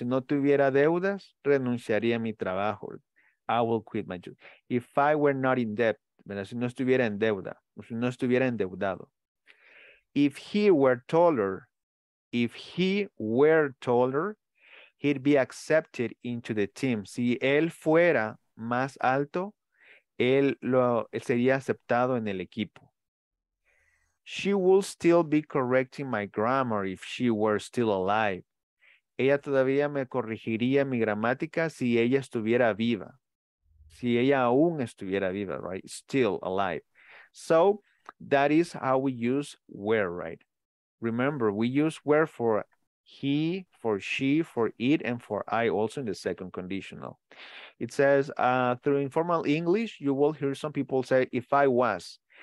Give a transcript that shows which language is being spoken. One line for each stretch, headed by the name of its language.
Spanish: Si no tuviera deudas, renunciaría a mi trabajo.
English: I will quit my job. If I were not in debt,
Spanish: ¿verdad? Si no estuviera en deuda, si no estuviera endeudado.
English: If he were taller, he'd be accepted into the team.
Spanish: Si él fuera más alto, él sería aceptado en el equipo.
English: She would still be correcting my grammar if she were still alive.
Spanish: Ella todavía me corregiría mi gramática si ella estuviera viva. Si ella aún estuviera viva,
English: right? Still alive. So that is how we use where, right? Remember, we use where for he, for she, for it, and for I also in the second conditional. It says, through informal English, you will hear some people say, if I was.